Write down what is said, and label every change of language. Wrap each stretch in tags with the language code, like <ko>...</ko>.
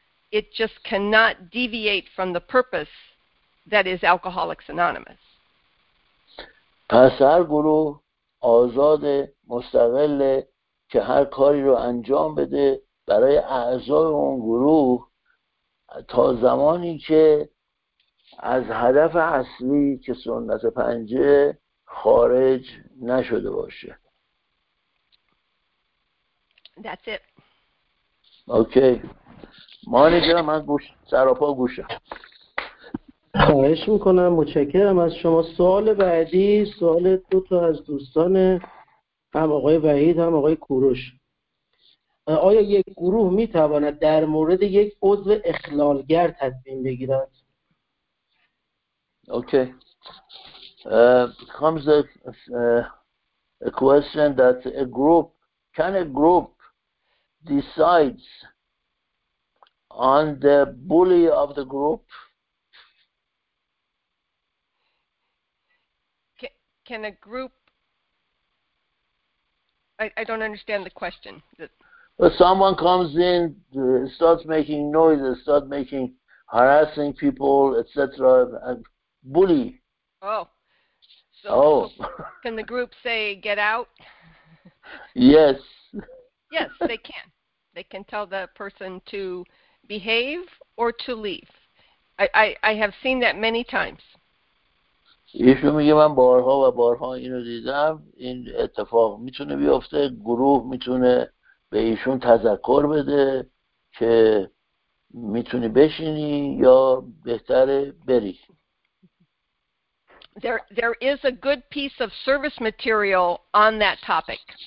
<en>It just cannot deviate from the purpose that is Alcoholics Anonymous.</en> <fa>پس هر گروه آزاد مستقل که هر کاری رو انجام بده برای اعضای اون گروه تا زمانی که از هدف اصلی که سنت پنجه خارج نشده باشه.</fa> <en>That's it. Okay.</en> <fa>مانی جان من گوش سراپا گوشم. خواهش میکنم. متشکرم از شما. سوال بعدی، سوال دو تا از دوستان، هم آقای وحید هم آقای کوروش. آیا یک گروه میتواند در مورد یک عضو اخلالگر تصمیم بگیرد؟</fa> <en>Okay. Comes a question that a group, can a group decide on the bully of the group? Can a group, I don't understand the question. Well, someone comes in, starts making noise, starts making, harassing people, etc., and bully. Oh. So, oh. Can the group say, get out? Yes. Yes, they can. They can tell the person to behave or to leave. I have seen that many times.</en> <fa>ایشون میگه من بارها و بارها اینو دیدم، این اتفاق میتونه بیفته. گروه میتونه به ایشون تذکر بده که میتونی بشینی یا بهتره بری.</fa> <en>there is a good piece of service material on that topic.</en>